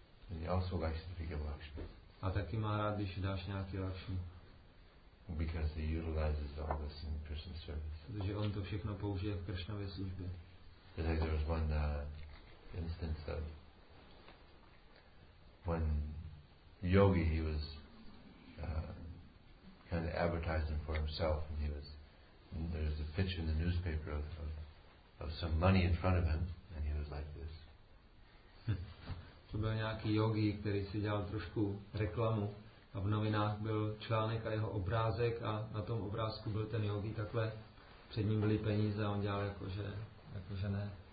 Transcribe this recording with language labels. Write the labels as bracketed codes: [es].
[en] And he also likes if you give Lakshmi. [cs] A taky má rád, když dáš nějaký Lakshmi. [en] Because he utilizes all this in Krishna's service. [cs] Protože on to všechno použije v Krishnově službě. [en] Because like there was one instance of when Yogi, he was kind of advertising for himself, and he was, and there was a pitch in the newspaper of some money in front of him, and he was like this. [cs] To byl nějaký yogi, který si dělal trošku reklamu, a v novinách byl článek a jeho obrázek, a na tom obrázku byl ten yogi takhle, před ním byly peníze, a on dělal jakože ne.